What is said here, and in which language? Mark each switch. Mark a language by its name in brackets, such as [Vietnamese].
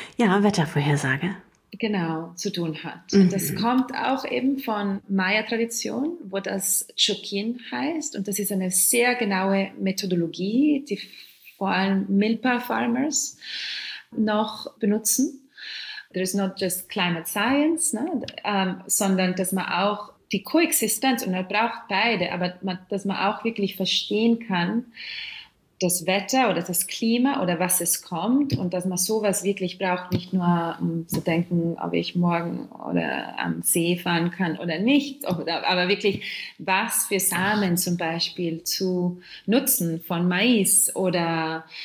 [German] Ja, Wettervorhersage. Genau, zu tun hat. Mhm. Das kommt auch eben von Maya-Tradition, wo das Chokin heißt. Und das ist eine sehr genaue Methodologie, die vor allem Milpa-Farmers noch benutzen. [English] There is not just climate science, ne? [German] Sondern dass man auch die Koexistenz, und man braucht beide, aber dass man auch wirklich verstehen kann, das Wetter oder das Klima oder was es kommt und dass man sowas wirklich braucht, nicht nur zu denken, ob ich morgen oder am See fahren kann oder nicht, aber wirklich, was für Samen zum Beispiel zu nutzen von Mais oder